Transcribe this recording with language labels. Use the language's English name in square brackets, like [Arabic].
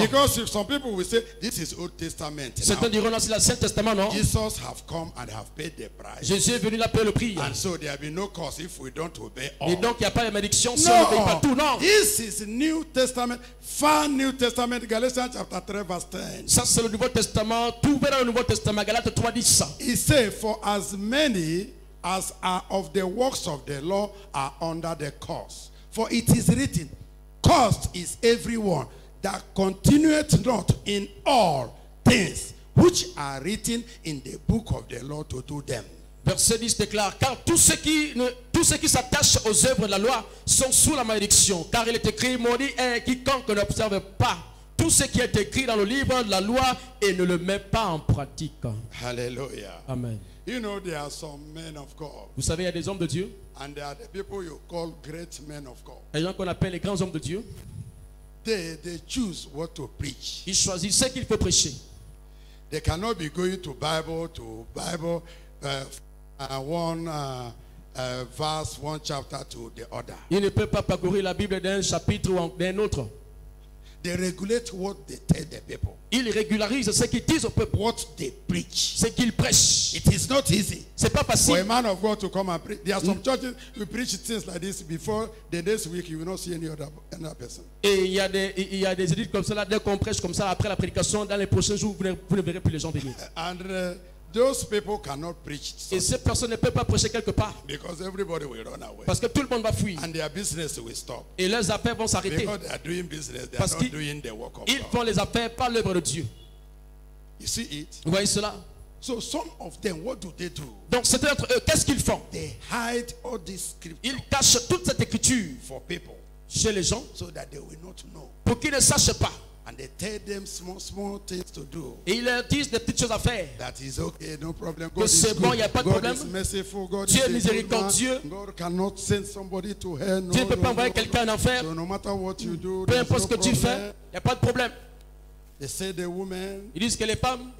[English] Because if some people will say this is Old Testament. [French] Certains diront c'est l'Ancien Testament, non? [English] Jesus have come and have paid the price. [French] Jésus est venu là payer le prix. [English] And so there will be no curse if we don't obey all. [French] Et donc il y a pas de malédiction si on obéit pas tout. Non. [English] This is New Testament, far New Testament, Galatians chapter 3 verse 10. [French] Ça c'est le Nouveau Testament, tout vers le Nouveau Testament, Galates 3 10. [English] He says, for as many as are of the works of the law are under the curse. For it is written, cursed is everyone that continueth not in all things which are written in the book of the law to do them. [French] Verset 10 déclare, car tous ceux qui s'attachent aux œuvres de la loi sont sous la malédiction. Car il est écrit, maudit est quiconque n'observe pas tout ce qui est écrit dans le livre de la loi et ne le met pas en pratique. Alléluia. Amen. [English] You know, there are some men of God. [French] Vous savez, il y a des hommes de Dieu. [English] And there are the people you call great men of God. [French] Les gens qu'on appelle les grands hommes de Dieu. [English] They choose what to preach. [French] Ils choisissent ce qu'il faut prêcher. [English] They cannot be going to Bible. One verse one chapter to the other. [French] Il ne peut pas parcourir la Bible d'un chapitre ou d'un autre. [English] They regulate what they tell the people. [French] Ils régularisent ce qu'ils disent au peuple. [English] What they preach. [French] Ce qu'ils prêchent. [English] It is not easy. [French] C'est pas facile. [English] For a man of God to come and preach. There are some churches who preach things like this before the next week you will not see any other person. [French] Et il y a des églises comme cela, dès qu'on prêche comme ça après la prédication, dans les prochains jours vous ne verrez plus les gens venir. [English] Those people cannot preach. [French] Et ces personnes ne peuvent pas prêcher quelque part. [English] Because everybody will run away. [French] Parce que tout le monde va fuir. [English] And their business will stop. [French] Et leurs affaires vont s'arrêter. [English] Because they are doing business, they are not doing the work of God. [French] Ils font les affaires par l'œuvre de Dieu. [English] You see it? [French] Vous voyez cela? [English] So some of them, what do they do? [French] Donc certains d'entre eux, qu'est-ce qu'ils font? [English] They hide all this scripture. [French] Ils cachent toute cette écriture [English] for people. [French] Chez les gens. [English] So that they will not know. [French] Pour qu'ils ne sachent pas. [English] And they tell them small things to do. [French] Et ils leur disent des petites choses à faire. [English] That is okay, no problem. God is [French] bon, [English] good. [French] Pas de [English] God [French] problème. [English] Is merciful. God [French] Dieu [English] is [French] miséricordieux. [English] God cannot send somebody to hell. [French] Dieu ne peut pas envoyer quelqu'un en enfer. [English] So no matter what you do, [French] peu importe ce que tu fais, y a pas de problème. [English] They say the woman. [French] Ils disent que les femmes.